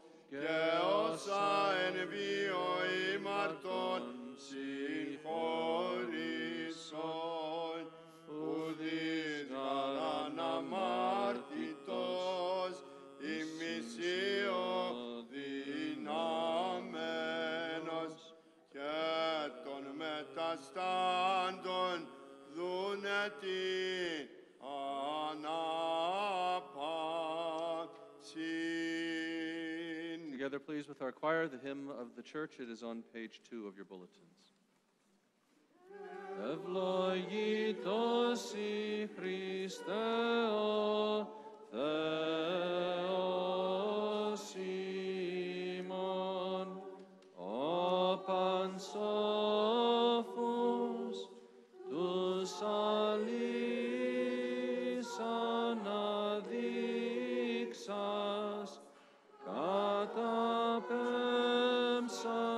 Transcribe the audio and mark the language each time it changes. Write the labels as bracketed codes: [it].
[el] και όσα εν βίω ημαρτών, συγχωρήσον, ουδείς γαράν αμάρτητος, ημισίω δυνάμενος, και των μεταστάντων δούνε την ανάπαυση. [en] Together, please, with our choir, the hymn of the church. It is on page 2 of your bulletins. [el] Ευλογητός η Χριστέ ο Θεός ημών, ο πανσόφους τους αλήσαν αδείξας, κατά πέμψας